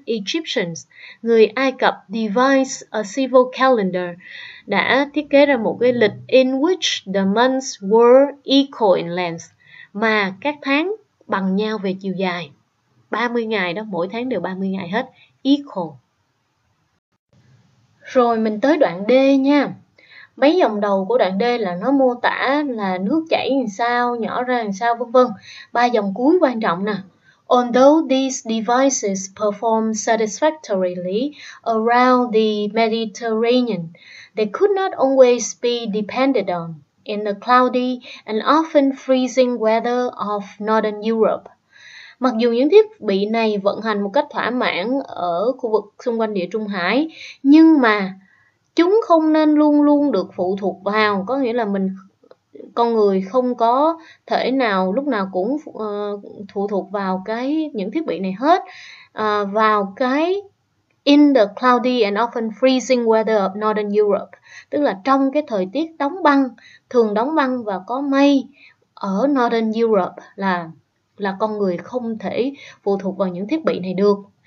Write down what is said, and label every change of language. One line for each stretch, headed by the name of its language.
Vietnamese: Egyptians, người Ai Cập
English: devised a civil calendar,
Vietnamese: đã thiết kế ra một cái lịch
English: in which the months were equal in length,
Vietnamese: mà các tháng bằng nhau về chiều dài. 30 ngày đó, mỗi tháng đều 30 ngày hết. Equal. Rồi mình tới đoạn D nha. Mấy dòng đầu của đoạn D là nó mô tả là nước chảy làm sao, nhỏ ra làm sao, vân vân. Ba dòng cuối quan trọng nè.
English: Although these devices perform satisfactorily around the Mediterranean, they could not always be depended on in the cloudy and often freezing weather of northern Europe.
Vietnamese: Mặc dù những thiết bị này vận hành một cách thỏa mãn ở khu vực xung quanh Địa Trung Hải, nhưng mà chúng không nên luôn luôn được phụ thuộc vào, có nghĩa là mình, con người không có thể nào lúc nào cũng phụ thuộc vào cái những thiết bị này hết, vào cái
English: in the cloudy and often freezing weather of northern Europe,
Vietnamese: tức là trong cái thời tiết đóng băng, thường đóng băng và có mây ở northern Europe, là con người không thể phụ thuộc vào những thiết bị này được.